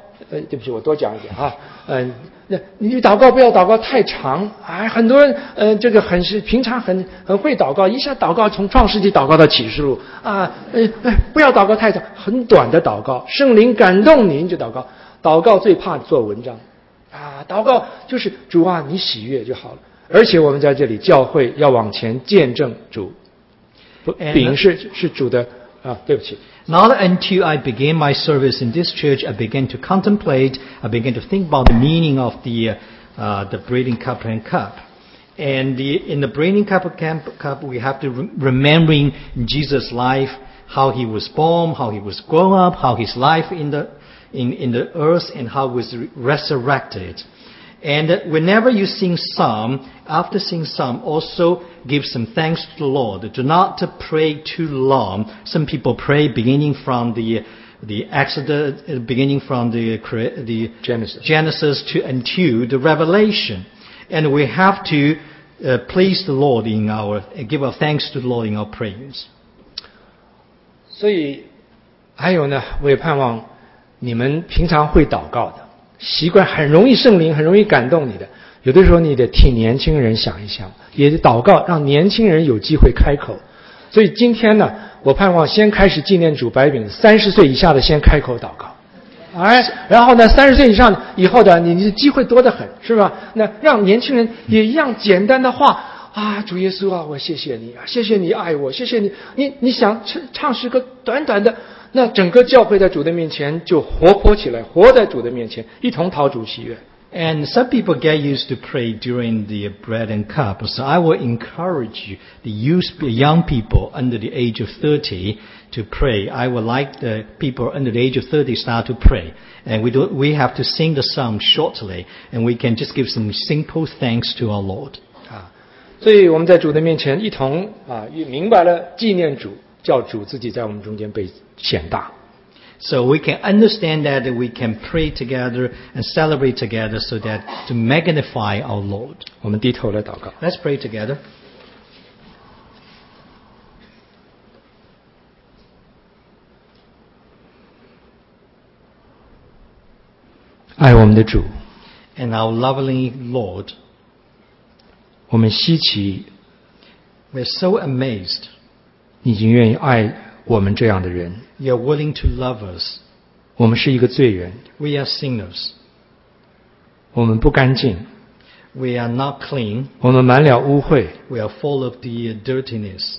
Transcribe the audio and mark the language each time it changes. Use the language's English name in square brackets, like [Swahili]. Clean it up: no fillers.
[Chinese] 对不起，我多讲一点啊。你祷告不要祷告太长，哎，很多人这个很是平常很会祷告，一下祷告从创世纪祷告到启示录啊，不要祷告太长，很短的祷告，圣灵感动您就祷告，祷告最怕做文章啊，祷告就是主啊，你喜悦就好了，而且我们在这里教会要往前见证主。饼是主的啊，对不起。 [English] Not until I began my service in this church, I began to contemplate, I began to think about the meaning of the breathing cup and cup. And in the breathing cup, we have to remembering Jesus' life, how he was born, how he was grown up, how his life in the earth, and how he was resurrected. And whenever you sing psalm, after singing psalm, also give some thanks to the Lord. Do not pray too long. Some people pray beginning from the Exodus, beginning from the Genesis to until the Revelation. And we have to please the Lord in our, give our thanks to the Lord in our prayers. [Chinese] 所以还有呢，我也盼望你们平常会祷告的习惯，很容易圣灵，很容易感动你的。有的时候你得替年轻人想一想，也祷告，让年轻人有机会开口。所以今天呢，我盼望先开始纪念主白饼，30岁以下的先开口祷告。哎，然后呢，30岁以上以后的你的机会多得很，是吧？那让年轻人也一样简单的话啊，主耶稣啊，我谢谢你啊，谢谢你爱我，谢谢你。你想唱诗歌，短短的，那整个教会在主的面前就活泼起来，活在主的面前，一同讨主喜悦。 [English] And some people get used to pray during the bread and cup. So I will encourage you, the young people under the age of 30 to pray. I would like the people under the age of 30 start to pray. And we have to sing the psalm shortly. And we can just give some simple thanks to our Lord. [Chinese] 所以我们在主的面前一同明白了纪念主，叫主自己在我们中间被显大。 [English] So we can understand that we can pray together and celebrate together so that to magnify our Lord. [Chinese] 我们低头来祷告。 [English] Let's pray together. [Chinese] 爱我们的主。 [English] And our lovely Lord. [Chinese] 我们稀奇。 [English] We're so amazed. [Chinese] 你已经愿意爱我们这样的人。 [English] You are willing to love us. [Chinese] 我们是一个罪人。 [English] We are sinners. [Chinese] 我们不干净。 [English] We are not clean. [Chinese] 我们满了污秽。 [English] We are full of the dirtiness.